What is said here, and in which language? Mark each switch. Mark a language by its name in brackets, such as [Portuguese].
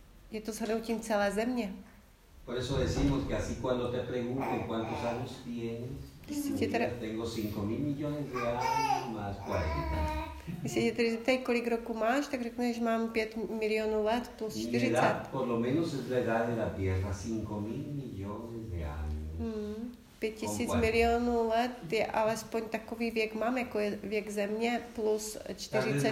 [Czech] Je to shrnutím celé země. [Spanish] Por eso decimos que así cuando te pregunten cuántos años tienes, si mira, tengo 5,000,000,000 de años más 40. [Czech] Když se tě tedy zeptej, kolik roku máš, tak řekneš, mám 5,000,000 let plus 40. [Spanish] Edad, por lo menos es la edad de la Tierra, 5,000,000,000 de años. Mm. [Czech] 5,000,000,000 let je alespoň takový věk mám, jako je věk země, plus 40